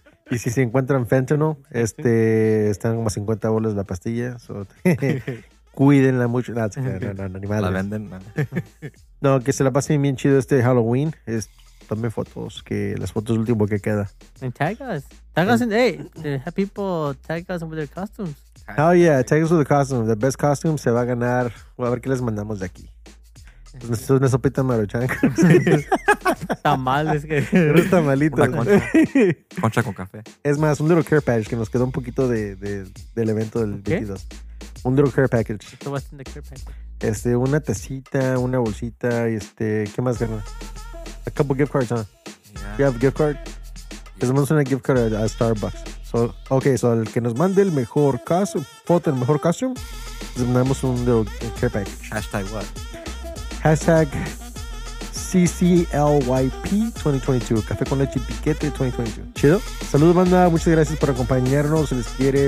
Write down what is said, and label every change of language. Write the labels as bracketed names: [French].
[Spanish] Y si se encuentran fentanyl, están como a 50 bolas la pastilla. So cuídenla mucho. No, animales. La venden. No. No, que se la pasen bien chido este Halloween. Es... Tome fotos, que las fotos último que queda. [English] And tag us. Tag us and have people tag us with their costumes. Hell yeah, tag us with the costumes. The best costume [Spanish] se va a ganar. Well, a ver qué les mandamos de aquí. Esto es una sopita maruchan. Tamales. Unos tamalitos. Una concha con café. Es más, un [English] little care package [Spanish] que nos quedó un poquito del evento del 22. [English] Un little care package. What's in the care package? [Spanish] Una tacita, una bolsita y ¿qué más ganó? [English] A couple gift cards, huh? Yeah. You have a gift card? Because I'm going to a gift card at Starbucks. So, okay. [Spanish] So, el que nos mande el mejor costume, foto, el mejor costume, mandamos un [English] little care package. Hashtag what? Hashtag CCLYP 2022. [Spanish] Café con leche y piquete 2022. Chido. Saludos, banda. Muchas gracias por acompañarnos. Se les quiere.